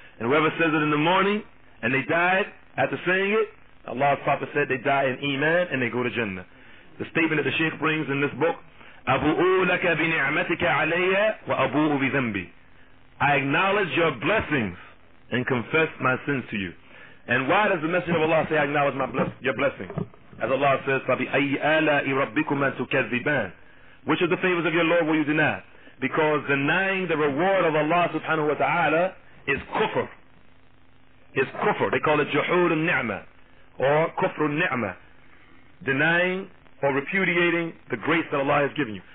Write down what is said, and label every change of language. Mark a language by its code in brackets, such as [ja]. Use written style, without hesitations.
[en] And whoever says it in the morning and they died after saying it, Allah's Prophet said they die in iman and they go to Jannah. The statement that the Shaykh brings in this book, [ar] أَبُؤُوا لَكَ بِنِعْمَتِكَ عَلَيَّ وَأَبُؤُوا بِذَنْبِي. [en] I acknowledge your blessings and confess my sins to you. And why does the Messenger of Allah say, I acknowledge your blessings? As Allah says, [ar] فَبِأَيِّ آلَاءِ رَبِّكُمَا تُكَذِّبَانِ. [en] Which of the favors of your Lord will you deny? Because denying the reward of Allah subhanahu wa ta'ala is kufr. They call it juhur al-ni'mah or kufr al-ni'mah, denying or repudiating the grace that Allah has given you.